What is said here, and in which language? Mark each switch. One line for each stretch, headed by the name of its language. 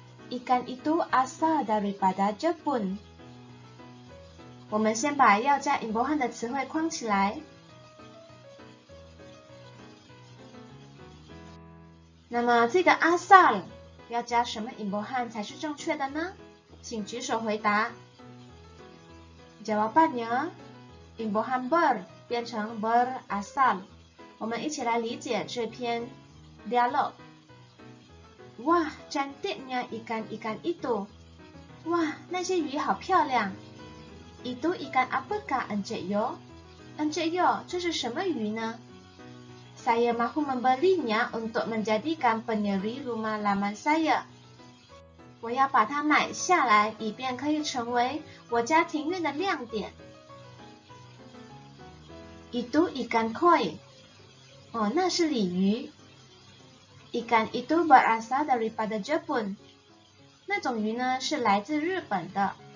Malay: Ikan itu asal daripada Jepun.
Chinese: 我们先把要加 imbuhan 的词汇框起来。那么这个 asal 要加什么 imbuhan 才是正确的呢？请举手回答。
Malay: Jawabannya, imbuhan ber 变成 ber asal。
Chinese: 我们一起来理解这篇 dialog。
Malay: Wah, cantiknya ikan-ikan itu.
Chinese: 哇，那些鱼好漂亮。
Malay: Itu ikan apakah, Encik Yo? Encik Yo,
Chinese: 这是什么鱼呢？
Malay: saya mahu membelinya untuk menjadikan penyeri rumah lama saya.
Chinese: 我要把它买下来, 以便可以成为我家庭院的亮点。
Malay: Itu ikan koi. Oh,
Chinese: 那是鲤鱼。
Malay: Ikan itu berasal daripada Jepun.
Chinese: 那种鱼呢, 是来自日本的。